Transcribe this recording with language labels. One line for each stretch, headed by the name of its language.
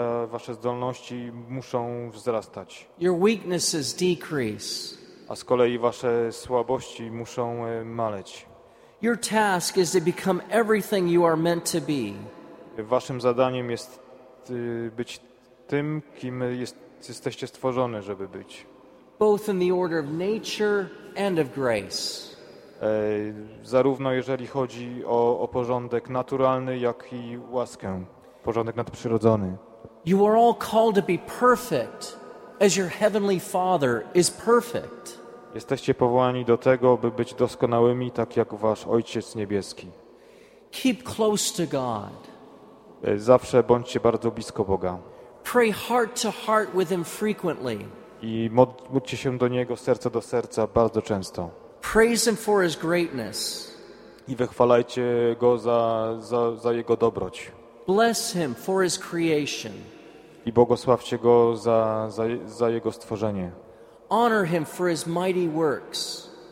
Polish: Wasze zdolności muszą wzrastać.
English: Your weaknesses decrease.
Polish: A z kolei wasze słabości muszą maleć.
English: Your task is to become everything you are meant to be.
Polish: Waszym zadaniem jest być tym, kim jesteście stworzone, żeby być.
English: Both in the order of nature and of grace.
Polish: Zarówno jeżeli chodzi o porządek naturalny, jak i łaskę, porządek nadprzyrodzony.
English: You are all called to be perfect, as your heavenly Father is perfect.
Polish: Jesteście powołani do tego, by być doskonałymi, tak jak wasz Ojciec Niebieski.
English: Keep close to God.
Polish: Zawsze bądźcie bardzo blisko Boga.
English: Pray heart to heart with him frequently.
Polish: I módlcie się do Niego serce do serca bardzo często.
English: Praise him for his greatness.
Polish: I wychwalajcie go za jego dobroć.
English: Bless him for his creation.
Polish: I błogosławcie go za jego stworzenie.
English: Honor him for his mighty works.